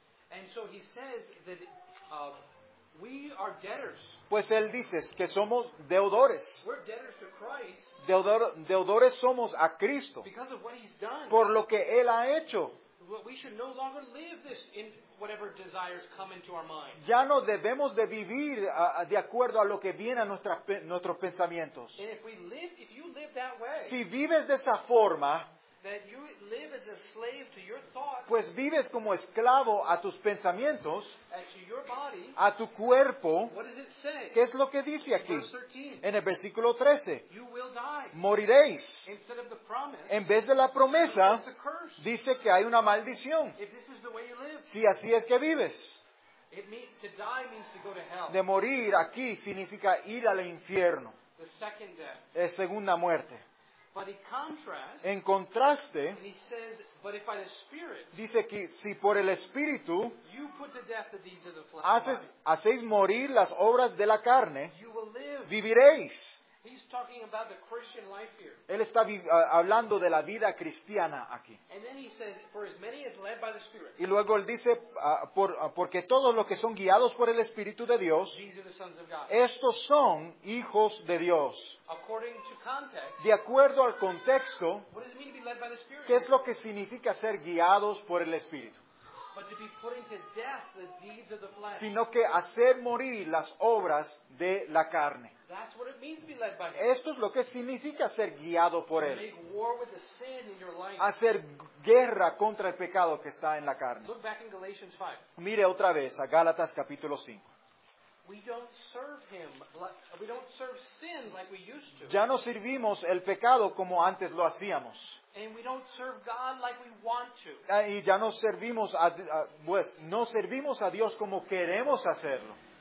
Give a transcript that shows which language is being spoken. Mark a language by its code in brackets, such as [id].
[en] And so he says that, we are debtors. [es] Pues él dice que somos deudores. [en] We're debtors to Christ. [es] Deudores somos a Cristo. [en] Because of what he's done. [es] Por lo que él ha hecho. [en] We should no longer live this in whatever desires come into our mind. [es] Ya no debemos de vivir de acuerdo a lo que viene a nuestros pensamientos. [en] And if you live that way, [es] si vives de esa forma, [en] that you live as a slave to your thoughts, [es] pues vives como esclavo a tus pensamientos, [en] to your body, [es] a tu cuerpo, [en] what does it say? [es] ¿Qué es lo que dice aquí? [en] Verse 13, [es] en el versículo 13, [en] you will die. [es] Moriréis. [en] Instead of the promise, [es] en vez de la promesa, [en] the curse, [es] dice que hay una maldición. [en] If this is the way you live, [es] si así es que vives. [en] to die means to go to hell. [es] De morir aquí significa ir al infierno. [en] The second death. [es] Es segunda muerte. [en] But in contrast, [es] en contraste, [en] and he says, but if by the Spirit, [es] dice que si por el Espíritu [en] you put to death the deeds of the flesh, [es] hacéis morir las obras de la carne, [en] you will live. [es] Viviréis. [en] He's talking about the Christian life here. [es] Él está hablando de la vida cristiana aquí. [en] And then he says, for as many as led by the Spirit. [es] Y luego él dice, porque todos los que son guiados por el Espíritu de Dios, [en] these are the sons of God. [es] Estos son hijos de Dios. [en] According to context, [es] de acuerdo al contexto, [en] what does it mean to be led by the Spirit? [es] ¿Qué es lo que significa ser guiados por el Espíritu? [en] But to be putting to death the deeds of the flesh. [es] Sino que hacer morir las obras de la carne. [en] That's what it means to be led by him. [es] Esto es lo que significa ser guiado por él. [en] Make war with the sin in your life. [es] Hacer guerra contra el pecado que está en la carne. [en] Look back in Galatians 5. [es] Mire otra vez a Gálatas capítulo 5. [en] We don't serve sin like we used to. [es] Ya no servimos el pecado como antes lo hacíamos. [en] And we don't serve God like we want to. [es] Y ya no servimos a, pues, no servimos a Dios como queremos hacerlo.